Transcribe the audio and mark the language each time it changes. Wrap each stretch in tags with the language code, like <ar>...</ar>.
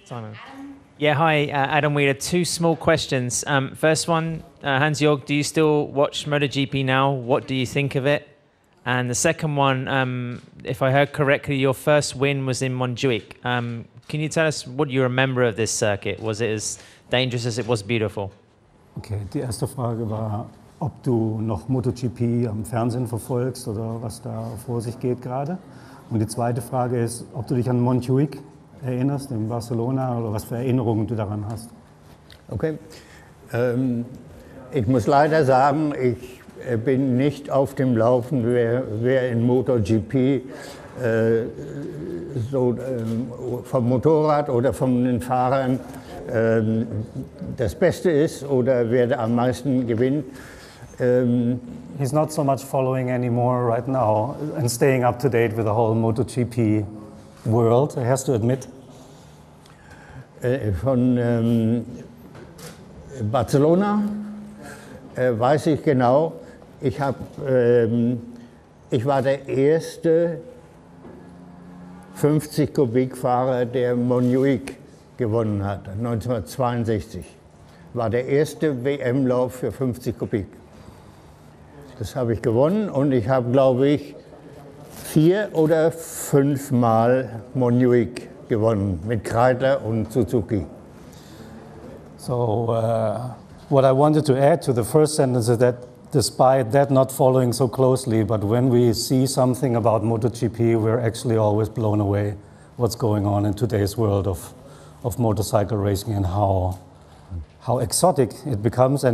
<en>Simon. Yeah, hi, Adam Wheeler. Two small questions. First one, Hans-Georg, do you still watch MotoGP now? What do you think of it? And the second one, if I heard correctly, your first win was in Montjuic. Can you tell us what you remember of this circuit? Was it as dangerous as it was beautiful?</en> <de>Okay, die erste Frage war, ob du noch MotoGP am Fernsehen verfolgst oder was da vor sich geht gerade. Und die zweite Frage ist, ob du dich an Montjuic erinnerst in Barcelona oder was für Erinnerungen du daran hast? Okay, ich muss leider sagen, ich bin nicht auf dem Laufenden, wer in MotoGP vom Motorrad oder von den Fahrern das Beste ist oder wer am meisten gewinnt.</de> <en>He's not so much following anymore right now and staying up to date with the whole MotoGP world, I have to admit.</en> <de>Von Barcelona weiß ich genau, ich war der erste 50-Kubik-Fahrer, der Montjuïc gewonnen hat. 1962 war der erste WM-Lauf für 50 Kubik. Das habe ich gewonnen und ich habe, glaube ich, 4 oder 5 Mal Montjuïc gewonnen mit Kreidler und Suzuki.</de> <en>So, what I wanted to add to the first sentence is that despite that not following so closely, but when we see something about MotoGP, we're actually always blown away what's going on in today's world of motorcycle racing and how exotic it becomes.</en>